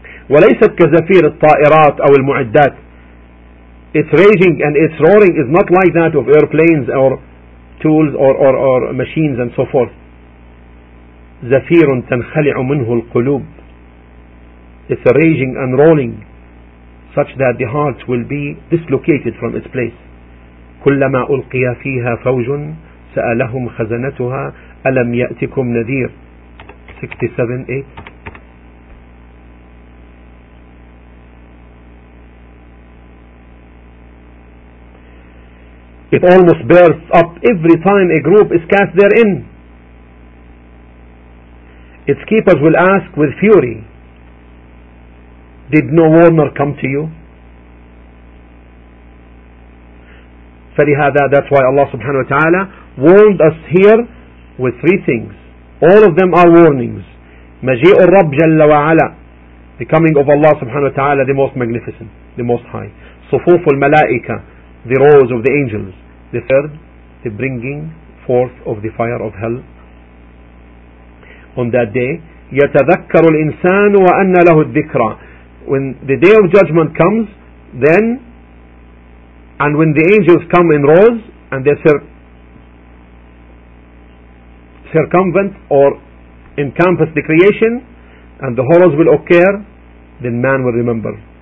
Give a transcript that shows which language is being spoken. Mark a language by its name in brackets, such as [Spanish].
[Arabic] وليست كزفير الطائرات أو المعدات. [English] Its raging and its roaring is not like that of airplanes or tools or machines and so forth. [Arabic] زفير تنخلع منه القلوب. [English] It's a raging and rolling such that the hearts will be dislocated from its place. [Arabic] كلما ألقي فيها فوج سألهم خزنتها ألم يأتكم نذير. 67:8. [English] It almost bursts up every time a group is cast therein. Its keepers will ask with fury, did no warner come to you? [Arabic] فَلِهَذَا, [English] that's why Allah subhanahu wa ta'ala warned us here with three things. All of them are warnings. [Arabic] مَجِئُ الرَّبْ جَلَّ وَعَلَى, [English] the coming of Allah subhanahu wa ta'ala, the most magnificent, the most high. [Arabic] صُفُوفُ الْمَلَائِكَ, [English] the rows of the angels. The third, the bringing forth of the fire of hell on that day. [Arabic] يتذكر الإنسان وأن له الذكرى. [English] When the day of judgment comes, then, and when the angels come in rows and they circumvent or encompass the creation, and the horrors will occur, then man will remember.